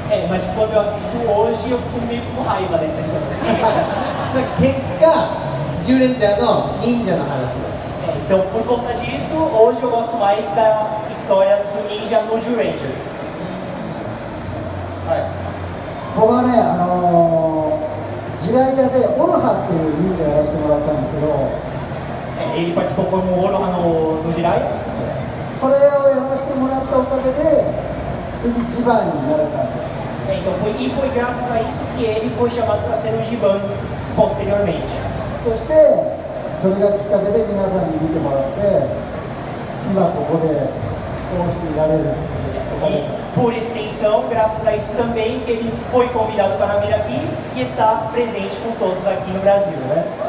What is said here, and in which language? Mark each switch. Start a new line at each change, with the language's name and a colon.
Portuguese: Mas quando eu assisto hoje, eu fico meio com raiva desse episódio. Então, por conta disso, hoje eu gosto mais da história do ninja no Juranger.
Japanese: ジライアでオロハっていう忍者をやらせてもらったんですけど、エリパチポコのオロハのジライア、それをやらせてもらったおかげで次ジバンになれたんです。
Portuguese: foi graças a isso que ele foi chamado para ser o Jiban posteriormente。
Japanese: そしてそれがきっかけで皆さんに見てもらって今ここでこうしていられる。
Portuguese: Por extensão, graças a isso também, que ele foi convidado para vir aqui e está presente com todos aqui no Brasil, né?